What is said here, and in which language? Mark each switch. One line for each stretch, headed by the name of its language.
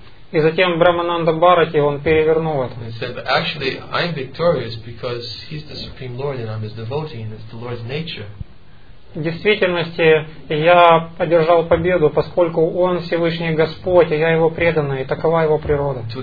Russian: И затем Брахмананда Бхарати, он перевернул это.
English: He said, actually, I'm victorious because he's the Supreme Lord and I'm his devotee and it's the Lord's nature.
Russian: В действительности я одержал победу, поскольку Он Всевышний Господь, и я Его преданный, и такова Его природа.